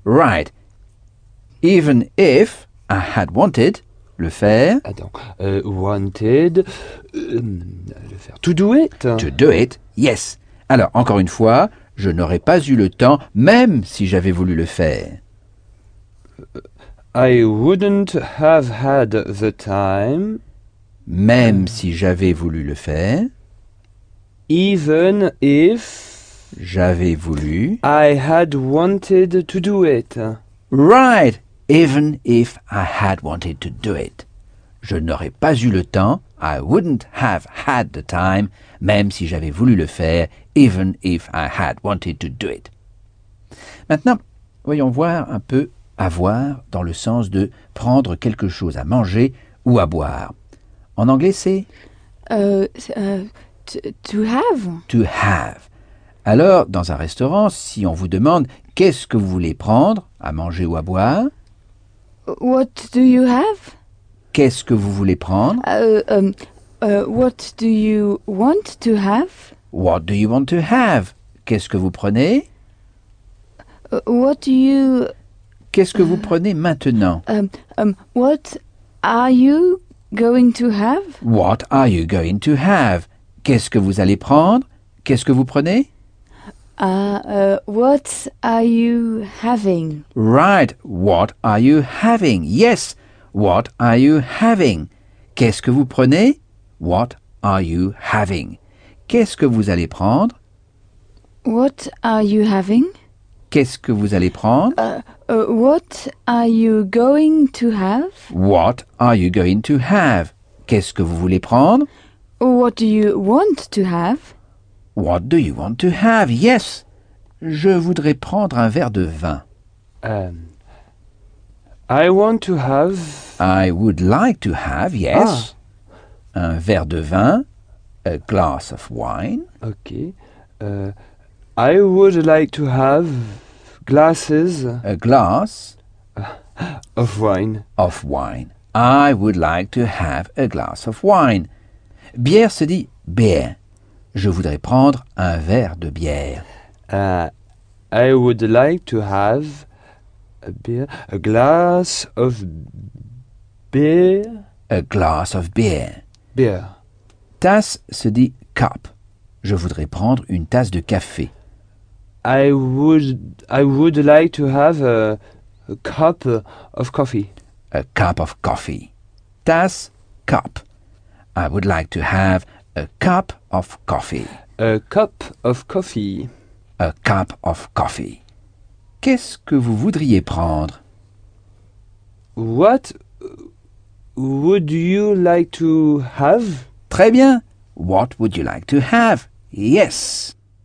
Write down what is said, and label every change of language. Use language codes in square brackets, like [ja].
[en] Right. Even if I had wanted. [fr] Le faire. [en] Attends. Wanted. [fr] Le faire. [en] To do it. To do it. Yes. [fr] Alors, encore une fois, je n'aurais pas eu le temps, même si j'avais voulu le faire. [en] I wouldn't have had the time. [fr] Même si j'avais voulu le faire. [en] Even if. [fr] J'avais voulu. [en] I had wanted to do it. Right. Even if I had wanted to do it. [fr] Je n'aurais pas eu le temps. [en] I wouldn't have had the time. [fr] Même si j'avais voulu le faire. [en] Even if I had wanted to do it. [fr] Maintenant, voyons voir un peu avoir dans le sens de prendre quelque chose à manger ou à boire. En anglais, c'est [en] to have. To have. [fr] Alors, dans un restaurant, si on vous demande qu'est-ce que vous voulez prendre à manger ou à boire, [en] What do you have? [fr] Qu'est-ce que vous voulez prendre? [en] What do you want to have? What do you want to have? [fr] Qu'est-ce que vous prenez? [en] What do you... [fr] Qu'est-ce que vous prenez maintenant? [en] What are you going to have? What are you going to have? [fr] Qu'est-ce que vous allez prendre? Qu'est-ce que vous prenez? [en] What are you having? Right. What are you having? Yes. What are you having? [fr] Qu'est-ce que vous prenez? [en] What are you having? [fr] Qu'est-ce que vous allez prendre? [en] What are you having? [fr] Qu'est-ce que vous allez prendre? [en] What are you going to have? What are you going to have? [fr] Qu'est-ce que vous voulez prendre? [en] What do you want to have? What do you want to have? Yes. [fr] Je voudrais prendre un verre de vin. [en] I want to have... I would like to have, yes. Ah. [fr] Un verre de vin. [en] A glass of wine. Okay. I would like to have glasses... A glass... Of wine. Of wine. I would like to have a glass of wine. [fr] Bière se dit bière. Je voudrais prendre un verre de bière. [en] I would like to have a beer, a glass of beer. A glass of beer. Beer. [fr] Tasse se dit cup. Je voudrais prendre une tasse de café. [en] I would like to have a cup of coffee. A cup of coffee. Tasse, cup. I would like to have a cup of coffee. A cup of coffee. A cup of coffee. [fr] Qu'est-ce que vous voudriez prendre? [en] What would you like to have? [fr] Très bien. [en] What would you like to have? Yes.